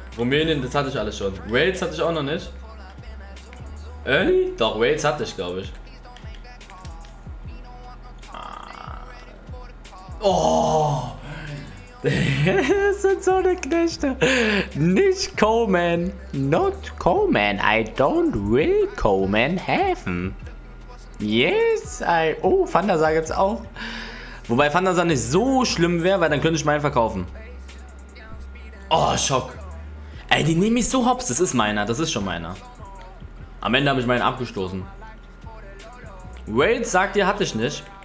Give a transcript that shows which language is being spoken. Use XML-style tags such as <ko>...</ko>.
<de>Rumänien, das hatte ich alles schon. Wales hatte ich auch noch nicht. Ey? Doch, Wales hatte ich, glaube ich. Oh! Das sind so eine Knechte. Nicht Coleman.</de> <en>Not Coleman. I don't will Coleman have. Yes, I.</en> <de>Oh, Fanta sah jetzt auch. Wobei Fanta sah nicht so schlimm wäre, weil dann könnte ich meinen verkaufen. Oh, Schock. Ey, die nehme ich so hops. Das ist meiner. Das ist schon meiner. Am Ende habe ich meinen abgestoßen. Wales sagt ihr, hatte ich nicht.</de>